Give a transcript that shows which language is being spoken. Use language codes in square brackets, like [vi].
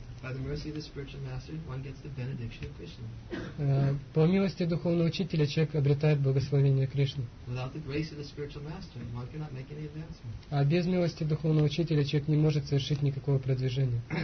[en] By the mercy of the spiritual master, one gets the benediction of Krishna. [ru] По милости духовного учителя человек обретает благословение Кришны. [en] Without the grace of the spiritual master, one cannot make any advancement. [ru] А без милости духовного учителя человек не может совершить никакого продвижения.